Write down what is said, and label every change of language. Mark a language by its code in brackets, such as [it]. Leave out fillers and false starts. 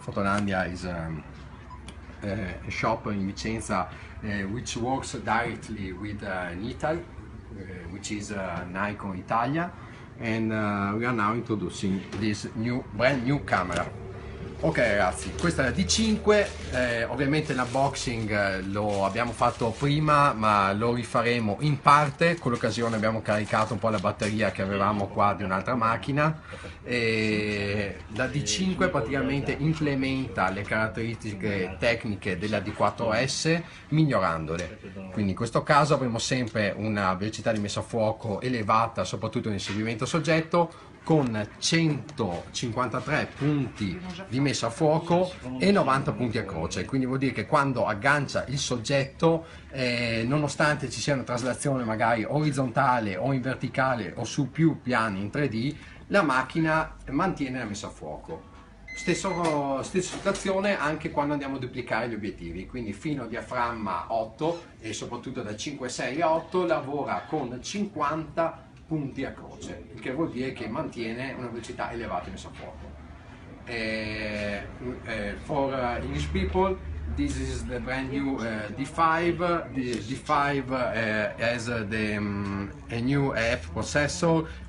[en] Fotolandia is a shop in Vicenza which works directly with Nital, which is Nikon Italia, and we are now introducing this brand new camera. [it] Ok ragazzi, questa è la D5. Ovviamente l'unboxing lo abbiamo fatto prima, ma lo rifaremo in parte. Con l'occasione abbiamo caricato un po' la batteria che avevamo qua di un'altra macchina. E la D5 praticamente implementa le caratteristiche tecniche della D4S migliorandole. Quindi in questo caso avremo sempre una velocità di messa a fuoco elevata, soprattutto in inseguimento soggetto, con 153 punti di messa a fuoco e 90 punti a croce. Quindi vuol dire che quando aggancia il soggetto, nonostante ci sia una traslazione magari orizzontale o in verticale o su più piani in 3D, la macchina mantiene la messa a fuoco. Stessa situazione anche quando andiamo a duplicare gli obiettivi, quindi fino a diaframma 8 e soprattutto da 5, 6 e 8 lavora con 50 punti a croce, il che vuol dire che mantiene una velocità elevata in messa a fuoco. [en] For English people, this is the brand new D5. The D5 has a new app processor.